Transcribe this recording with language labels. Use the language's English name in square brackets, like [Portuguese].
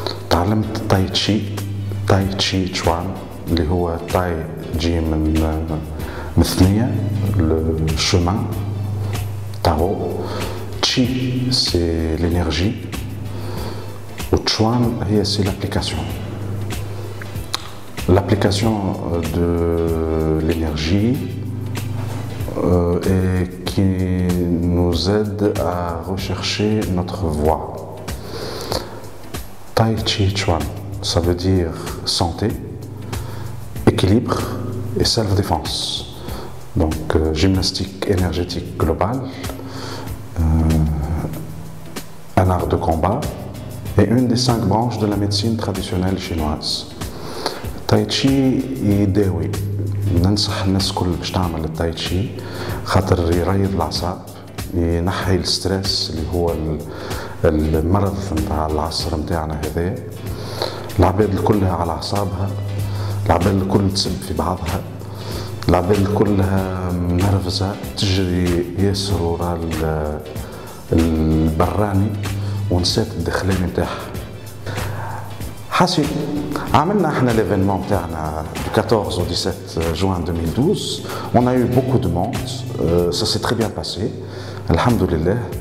[Arabic] تعلمت تاي تشي تشوان اللي هو تاي جي من مثنية الشمع تاو تشي سي لينيرجي وتشوان هي سي لابليكاسيون. [French] L'application de l'énergie et qui nous aide à rechercher notre voie. Tai Chi Chuan, ça veut dire santé, équilibre et self-défense. Donc, gymnastique énergétique globale, un art de combat et une des cinq branches de la médecine traditionnelle chinoise. [Arabic] تاي تشي يداوي، ننصح الناس كل باش تعمل التاي تشي خاطر يريض الاعصاب، ينحي الستريس اللي هو المرض نتاع العصر نتاعنا هذا. العباد كلها على اعصابها، العباد الكل تسب في بعضها، العباد كلها منرفزة، تجري ياسر ورا البراني ونسات الدخلين نتاعها. حسي عملنا احنا ليفينمون تاعنا 14 و 17 جوان 2012، on a eu beaucoup de monde, ça s'est très bien passé, الحمد لله.